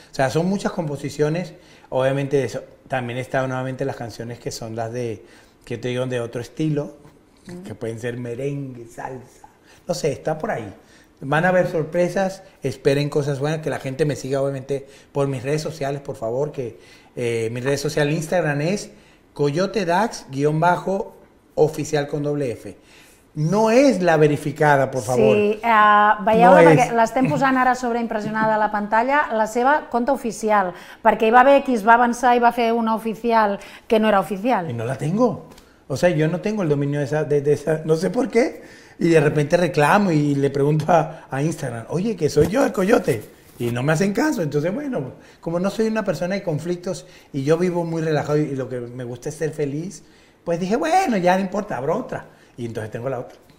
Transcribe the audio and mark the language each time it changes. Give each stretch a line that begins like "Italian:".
Spanish: O sea, son muchas composiciones, obviamente de eso. También están nuevamente las canciones que son las de, que te digo, de otro estilo, que pueden ser merengue, salsa, no sé, está por ahí. Van a haber sorpresas, esperen cosas buenas, que la gente me siga obviamente por mis redes sociales, por favor, que mi red social Instagram es Coyote Dax guión bajo oficial con doble F. No és la verificada, por favor.
Catalan: Sí, veieu-la, no, perquè l'estem posant ara sobre impressionada a la pantalla, la seva compte oficial, perquè hi va haver qui es va avançar i va fer una oficial que no era oficial.
Spanish: I no la tengo. O sea, yo no tengo el dominio de esa, no sé por qué, y de repente reclamo y le pregunto a Instagram, oye, que soy yo el Coyote. Y no me hacen caso, entonces bueno, como no soy una persona de conflictos y yo vivo muy relajado y lo que me gusta es ser feliz, pues dije, bueno, ya no importa, abro otra. Y entonces tengo la otra.